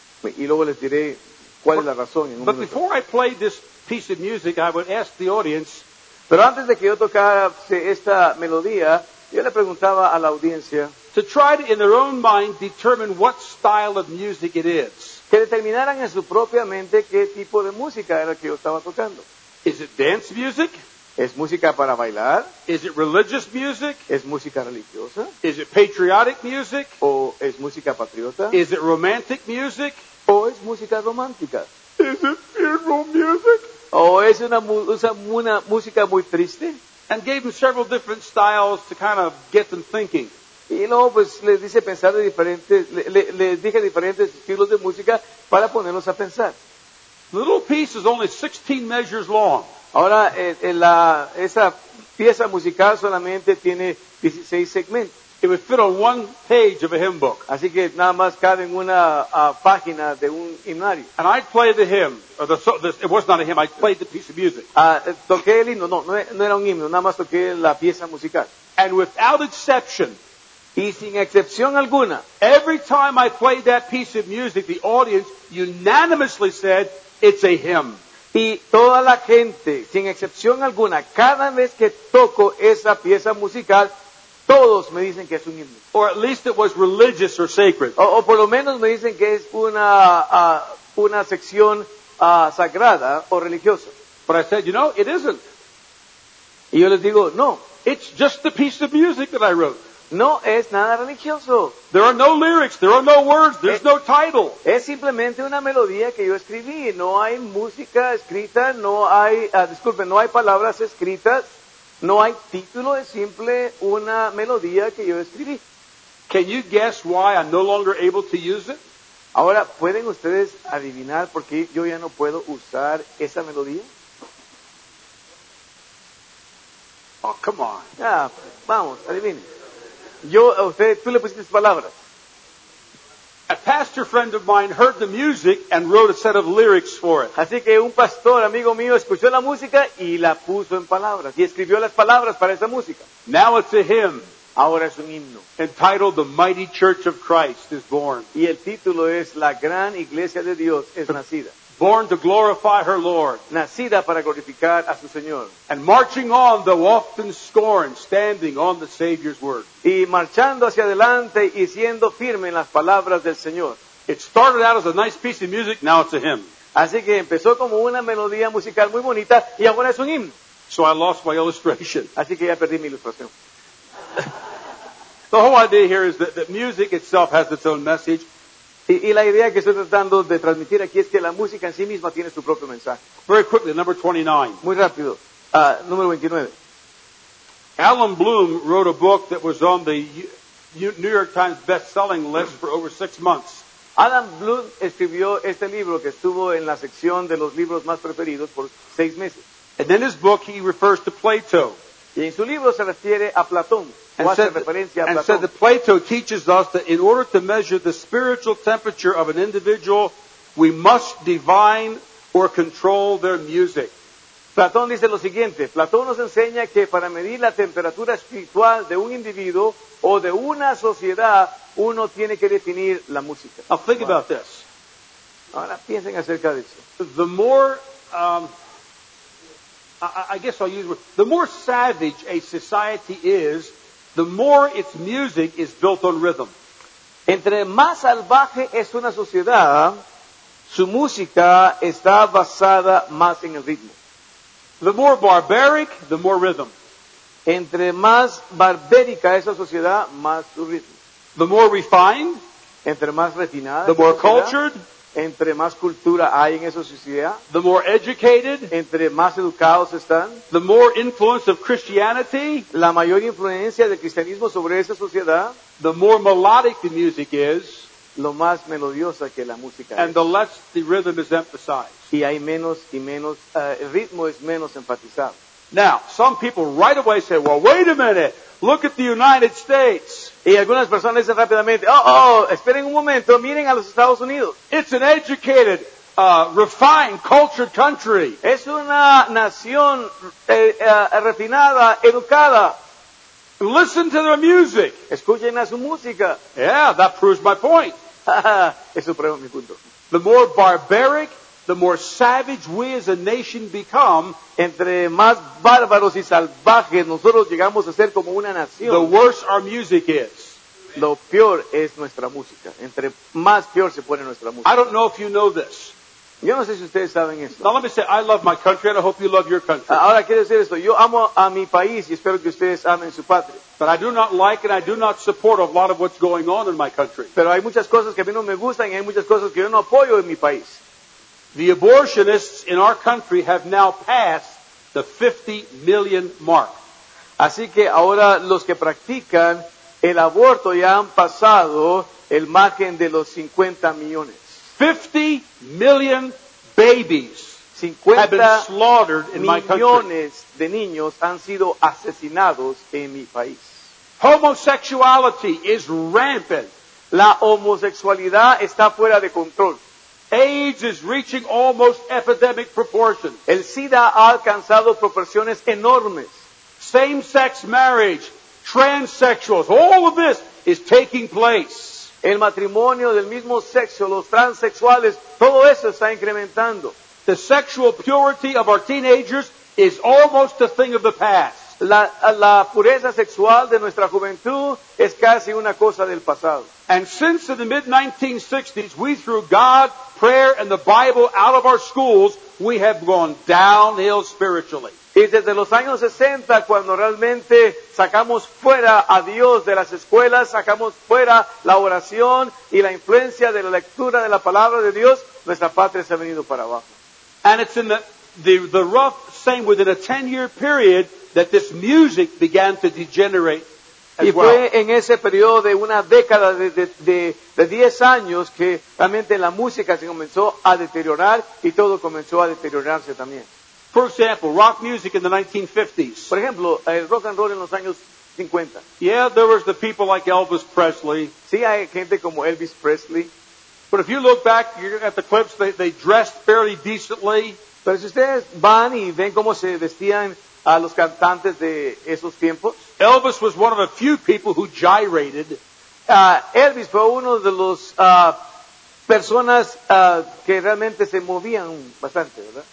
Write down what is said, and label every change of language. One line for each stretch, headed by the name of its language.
Spanish: Y luego les diré cuál es la razón.
English: But before I played this piece of music, I would ask the audience.
Spanish: Pero antes de que yo tocara esta melodía, yo le preguntaba a la audiencia
English: to try to, in their own mind, determine what style of music it is.
Spanish: Que determinaran en su propia mente qué tipo de música era que yo estaba tocando.
English: Is it dance music?
Spanish: ¿Es música para bailar?
English: Is it religious music?
Spanish: ¿Es música religiosa?
English: Is it patriotic music?
Spanish: ¿O es música patriota?
English: Is it romantic music?
Spanish: ¿O es música romántica?
English: Is it funeral music?
Spanish: ¿O es una música muy triste?
English: And gave them several different styles to kind of get them thinking.
Spanish: Y luego pues les dice pensar de diferentes, les dije diferentes estilos de música para ponerlos a pensar.
English: The little piece is only 16 measures long.
Spanish: Ahora, esa pieza musical solamente tiene 16 segmentos.
English: It would fit on one page of a hymn book.
Spanish: Así que nada más cabe en una página de un himnario.
English: And I'd play the hymn. It was not a hymn. I played the piece of music.
Spanish: Toqué el himno. No era un himno. Nada más toqué la pieza musical.
English: And without exception.
Spanish: Y sin excepción alguna.
English: Every time I played that piece of music, the audience unanimously said, it's a hymn.
Spanish: Y toda la gente, sin excepción alguna, cada vez que toco esa pieza musical, todos me dicen que es un himno.
English: Or at least it was religious or sacred.
Spanish: O por lo menos me dicen que es una sección sagrada o religiosa.
English: But I said, you know, it isn't.
Spanish: Y yo les digo, no.
English: It's just the piece of music that I wrote.
Spanish: No es nada religioso.
English: There are no lyrics, there are no words, there's no title.
Spanish: Es simplemente una melodía que yo escribí. No hay música escrita, no hay palabras escritas. No hay título, es simple una melodía que yo escribí.
English: Can you guess why I'm no longer able to use it?
Spanish: Ahora, ¿pueden ustedes adivinar por qué yo ya no puedo usar esa melodía?
English: Oh, come on.
Spanish: Ya, vamos, adivinen. Tú le pusiste palabras.
English: A pastor friend of mine heard the music and wrote a set of lyrics for it.
Spanish: Así que un pastor amigo mío escuchó la música y la puso en palabras y escribió las palabras para esa música.
English: Now it's a hymn.
Spanish: Ahora es un himno.
English: Entitled "The Mighty Church of Christ Is Born."
Spanish: Y el título es "La Gran Iglesia de Dios Es Nacida."
English: Born to glorify her Lord.
Spanish: Nacida para glorificar a su Señor.
English: And marching on, though often scorned, standing on the Savior's word.
Spanish: Y marchando hacia adelante y siendo firme en las palabras del Señor.
English: It started out as a nice piece of music, now it's a hymn.
Spanish: Así que empezó como una melodía musical muy bonita y ahora es un himno.
English: So I lost my illustration.
Spanish: Así que ya perdí mi ilustración.
English: The whole idea here is that, that music itself has its own message.
Spanish: Y la idea que estoy tratando de transmitir aquí es que la música en sí misma tiene su propio mensaje.
English: Very quickly, number 29.
Spanish: Muy rápido. Número 29.
English: Alan Bloom wrote a book that was on the New York Times best-selling list for over 6 months.
Spanish: Alan Bloom escribió este libro que estuvo en la sección de los libros más preferidos por 6 meses.
English: And in his book, he refers to Plato.
Spanish: Y en su libro se refiere a Platón.
English: And said that Plato teaches us that in order to measure the spiritual temperature of an individual, we must divine or control their music.
Spanish: Platón dice lo siguiente. Platón nos enseña que para medir la temperatura espiritual de un individuo o de una sociedad, uno tiene que definir la música.
English: Now think about this.
Spanish: Ahora piensen acerca de eso.
English: The more, I guess I'll use the word, the more savage a society is, the more its music is built on rhythm.
Spanish: Entre más salvaje es una sociedad, su música está basada más en el ritmo.
English: The more barbaric, the more rhythm.
Spanish: Entre más barbérica esa sociedad, más su ritmo.
English: The more refined,
Spanish: entre más refinada,
English: the more cultured,
Spanish: entre más cultura hay en esa sociedad,
English: the more educated,
Spanish: entre más educados están,
English: the more influence of Christianity,
Spanish: la mayor influencia del cristianismo sobre esa sociedad,
English: the more melodic the music is,
Spanish: lo más melodiosa que la música
English: and
Spanish: es,
English: the less the rhythm is emphasized.
Spanish: Y hay menos y menos, el ritmo es menos enfatizado.
English: Now, some people right away say, well, wait a minute, look at the United States.
Spanish: Y algunas personas dicen rápidamente, oh, esperen un momento, miren a los Estados Unidos.
English: It's an educated, refined, cultured country.
Spanish: Es una nación refinada, educada.
English: Listen to their music.
Spanish: Escuchen a su música.
English: Yeah, that proves my point.
Spanish: Eso prueba mi punto.
English: The more barbaric, the more savage we as a nation become,
Spanish: entre más bárbaros y salvajes nosotros llegamos a ser como una nación,
English: the worse our music is.
Spanish: Lo peor es nuestra música. Entre más peor se pone nuestra música.
English: I don't know if you know this.
Spanish: Yo no sé si ustedes saben esto.
English: Now let me say, I love my country and I hope you love your country.
Spanish: Ahora quiero decir esto. Yo amo a mi país y espero que ustedes amen su patria.
English: But I do not like and I do not support a lot of what's going on in my country.
Spanish: Pero hay muchas cosas que a mí no me gustan y hay muchas cosas que yo no apoyo en mi país.
English: The abortionists in our country have now passed the 50 million mark.
Spanish: Así que ahora los que practican el aborto ya han pasado el margen de los 50 millones.
English: 50 million babies
Spanish: 50
English: have been slaughtered in my country.
Spanish: Millones de niños han sido asesinados en mi país.
English: Homosexuality is rampant.
Spanish: La homosexualidad está fuera de control.
English: AIDS is reaching almost epidemic proportions.
Spanish: El SIDA ha alcanzado proporciones enormes.
English: Same-sex marriage, transsexuals, all of this is taking place.
Spanish: El matrimonio del mismo sexo, los transexuales, todo eso está incrementando.
English: The sexual purity of our teenagers is almost a thing of the past.
Spanish: La pureza sexual de nuestra juventud es casi una cosa del pasado.
English: And since in the mid-1960s, we threw God, prayer, and the Bible out of our schools, we have gone downhill spiritually.
Spanish: Y desde los años 60, cuando realmente sacamos fuera a Dios de las escuelas, sacamos fuera la oración y la influencia de la lectura de la palabra de Dios, nuestra patria se ha venido para abajo.
English: And it's in the rough same within a 10-year period that this music began to degenerate.
Spanish: Y fue en ese periodo de una década de 10 años que realmente la música se comenzó a deteriorar y todo comenzó a deteriorarse también.
English: For example, rock music in the 1950s.
Spanish: Por ejemplo, el rock and roll en los años 50.
English: Yeah, there was the people like Elvis Presley.
Spanish: Sí, hay gente como Elvis Presley.
English: But if you look back at the clips, they dressed fairly decently.
Spanish: Pero si ustedes van y ven cómo se vestían a los cantantes de esos tiempos.
English: Elvis was one of a few people who gyrated.
Spanish: Elvis fue uno de los personas que realmente se movían bastante, ¿verdad?